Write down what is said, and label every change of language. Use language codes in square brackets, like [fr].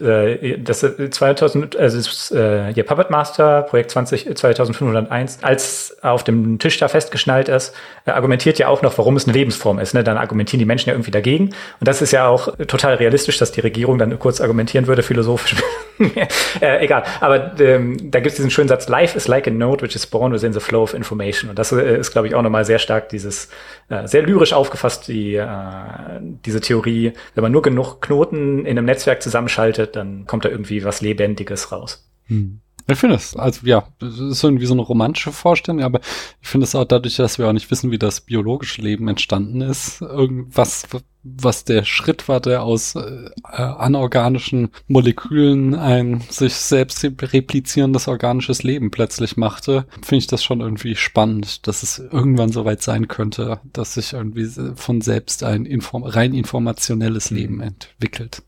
[de] Das ist 2000, Puppet Master, Projekt 20, 2501, als auf dem Tisch da festgeschnallt ist, argumentiert ja auch noch, warum es eine Lebensform ist. Ne? Dann argumentieren die Menschen ja irgendwie dagegen. Und das ist ja auch total realistisch, dass die Regierung dann kurz argumentieren würde, philosophisch. egal. Aber da gibt es diesen schönen Satz, [en] Life is like a note, which is born within the flow of information. [de] Und das ist, glaube ich, auch nochmal sehr stark dieses, sehr lyrisch aufgefasst, diese Theorie, wenn man nur genug Knoten in einem Netzwerk zusammenschaltet, dann kommt da irgendwie was Lebendiges raus. Hm. Ich finde es, also ja, das ist irgendwie so eine romantische Vorstellung, aber ich finde es auch dadurch, dass wir auch nicht wissen, wie das biologische Leben entstanden ist, irgendwas, was der Schritt war, der aus anorganischen Molekülen ein sich selbst replizierendes organisches Leben plötzlich machte, finde ich das schon irgendwie spannend, dass es irgendwann soweit sein könnte, dass sich irgendwie von selbst ein rein informationelles Leben entwickelt.